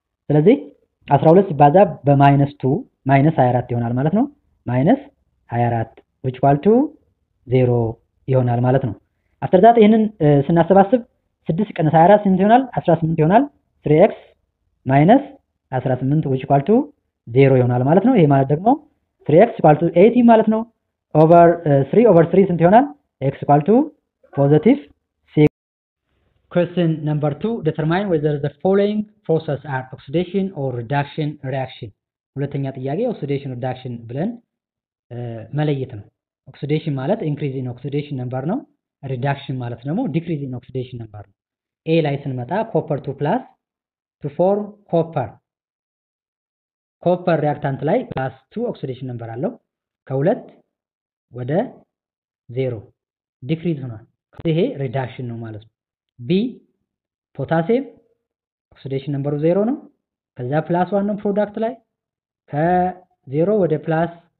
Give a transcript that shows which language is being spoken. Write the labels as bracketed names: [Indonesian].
[Amharic] ስለዚህ 12 ሲባዛ በማይነስ 2 ማይነስ 24 ይሆናል ማለት ነው። ማይነስ 24 [English] ዊች ኢኳል ቱ [Amharic] 0 ይሆናል ማለት ነው። [English] አፍተር ዛት [Amharic] ይህንን ስናሰባስብ 6 ቀነስ 24 ስንት ይሆናል? 18 ይሆናል። 3x ማይነስ 18 [English] which equal to [Amharic] 0 ይሆናል ማለት ነው። ይሄ ማለት ደግሞ 3x [English] equal to [Amharic] 18 ማለት ነው። over 3 over 3 ስንት ይሆናል? [English] x equal to positive 6. question number 2, determine whether the following process are oxidation or reduction reaction. [Amharic] ሁለተኛ ጥያቄ oxidation reduction ብለን መለየት ነው። oxidation ማለት [English] increase in oxidation number [Amharic] ነው። reduction ማለት ደግሞ [English] decrease in oxidation number [Amharic] ነው። a ላይ ስንመጣ [English] copper 2 plus to form copper. [Amharic] copper reactant ላይ plus 2 oxidation number አለው ከሁለት ወደ 0 decrease ሆኗል። ይሄ reduction ነው ማለት ነው። b potassium oxidation number 0 ነው ከዛ plus 1 ነው product ላይ ከ 0 ወደ plus